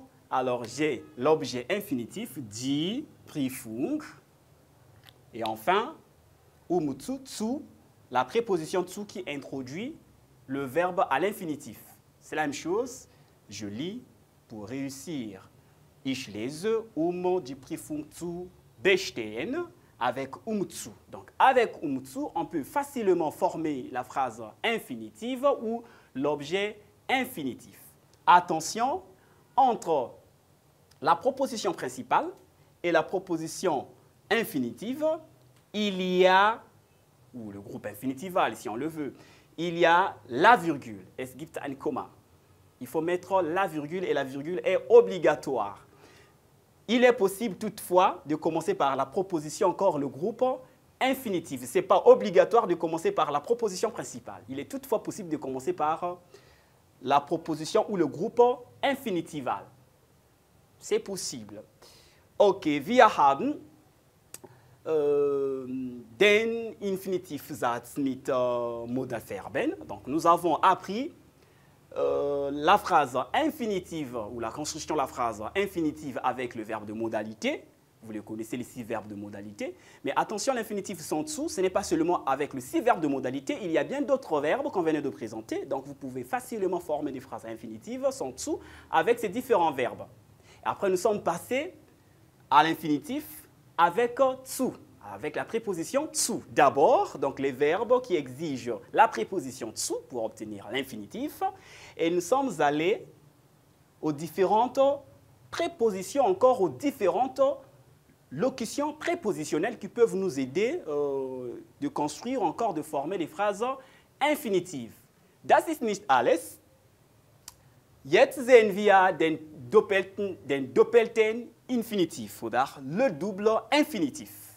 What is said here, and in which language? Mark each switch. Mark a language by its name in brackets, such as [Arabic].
[French] Alors j'ai l'objet infinitif [German] die Prüfung [French] et enfin zu, la préposition zu qui introduit le verbe à l'infinitif. C'est la même chose, je lis pour réussir. [German] Ich lese die Prüfung zu bestehen [French] avec zu. Donc avec zu, on peut facilement former la phrase infinitive ou l'objet infinitif. Attention, entre la proposition principale et la proposition infinitive, il y a, ou le groupe infinitival, si on le veut, il y a la virgule. [German] Es gibt ein Komma. [French] Il faut mettre la virgule et la virgule est obligatoire. Il est possible toutefois de commencer par la proposition, encore le groupe infinitif. Ce n'est pas obligatoire de commencer par la proposition principale. Il est toutefois possible de commencer par la proposition ou le groupe infinitival. C'est possible. [German] Ok, wir haben den Infinitivsatz mit Modalverben. [French] Donc, nous avons appris la phrase infinitive ou la construction de la phrase infinitive avec le verbe de modalité. Vous le connaissez, les six verbes de modalité. Mais attention, l'infinitif sans dessous, ce n'est pas seulement avec le six verbes de modalité. Il y a bien d'autres verbes qu'on venait de présenter. Donc, vous pouvez facilement former des phrases infinitives sans dessous avec ces différents verbes. Après, nous sommes passés à l'infinitif avec tsu, avec la préposition tsu. D'abord, donc les verbes qui exigent la préposition tsu pour obtenir l'infinitif. Et nous sommes allés aux différentes prépositions, encore aux différentes locutions prépositionnelles qui peuvent nous aider de construire, encore de former les phrases infinitives. [German] Das ist nicht alles. Jetzt sehen wir den doppelten Infinitiv, oder [French] le double infinitif.